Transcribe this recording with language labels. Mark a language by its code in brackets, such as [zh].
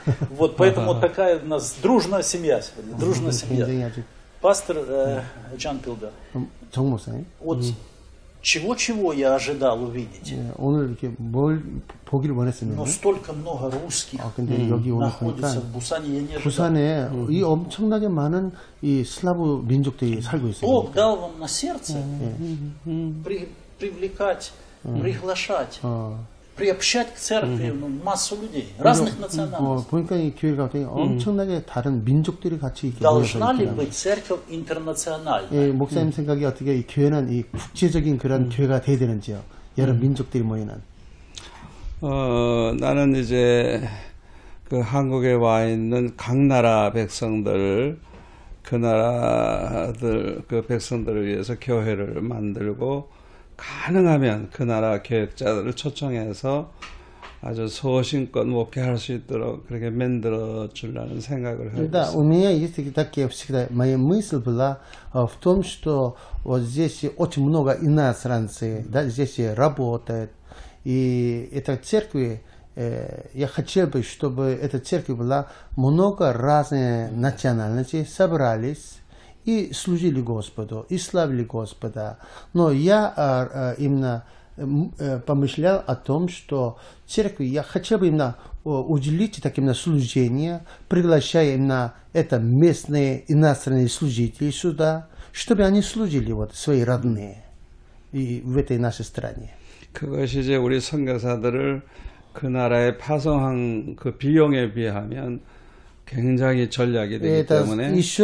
[ru] Вот поэтому такая у нас дружная семья сегодня, дружная семья. Пастор Чан Пилда, вот чего-чего я ожидал увидеть. Но столько много русских находится в Бусане, я не ожидал. [ko] Бусане, и 엄청나게 많은 이 슬라브 민족들이 살고 있어요. [ru] Бог дал вам на сердце привлекать, приглашать, приобщать к церкви массу людей, разных национальностей. [ko] 보니까 이 교회가 엄청나게 다른 민족들이 같이 [ru] должна ли быть церковь интернациональная? [ko] 목사님 생각이 어떻게 이 교회는 이 국제적인 그런 교회가 돼야 되는지요? 여러 민족들이 모이는. 나는 이제 그 한국에 와 있는 각 나라 백성들, 그 나라들 그 백성들을 위해서 교회를 만들고 가능하면 그 나라 계획자들을 초청해서 아주 소신껏 목회할 수 있도록 그렇게 만들어 주려는 생각을 하고 있습니다. [ru] 일단 у меня есть такие всегда моя мысль была в том, что вот здесь очень много иностранцев, да, здесь работают. И эта церковь, я хотел бы, чтобы эта церковь была много разных национальностей, собрались и служили Господу, и славили Господа. Но я именно помышлял о том, что церковь, я хотел бы именно уделить так именно служение, приглашая именно это местные иностранные служители сюда, чтобы они служили вот свои родные и в этой нашей стране. [ko] 그것이 이제 우리 선교사들을 그 나라에 파송한 그 비용에 비하면 굉장히 전략이 되기 때문에